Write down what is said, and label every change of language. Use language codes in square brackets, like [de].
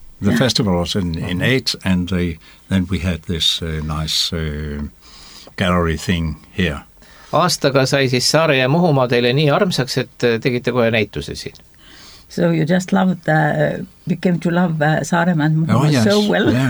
[en] The festival was in 8, and then we had this nice gallery thing here. [et] Aastaga sai siis Saare ja Muhumaa teile nii armsaks, et tegite kohe näituse siin. [en] So you just loved, became to love Saarema and Muhumaa so well.